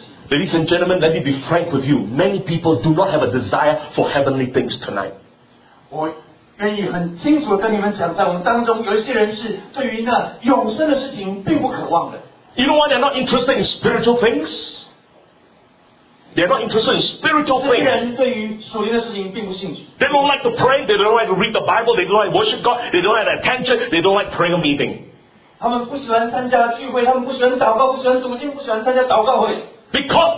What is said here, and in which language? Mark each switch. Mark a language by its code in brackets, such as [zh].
[en] Ladies and gentlemen, let me be frank with you. Many people do not have a desire for heavenly things tonight. [zh] 愿意很清楚地跟你们讲，在我们当中有一些人是对于那永生的事情并不渴望的。 [en] You know what? They're not interested in spiritual things. They're not interested in spiritual things. [zh] 这些人对于属灵的事情并不兴趣。 [en] They don't like to pray. They don't like to read the Bible. They don't like to worship God. They don't like attention. They don't like prayer meeting. [zh] 他们不喜欢参加聚会，他们不喜欢祷告，不喜欢读经，不喜欢参加祷告会。 [en] Because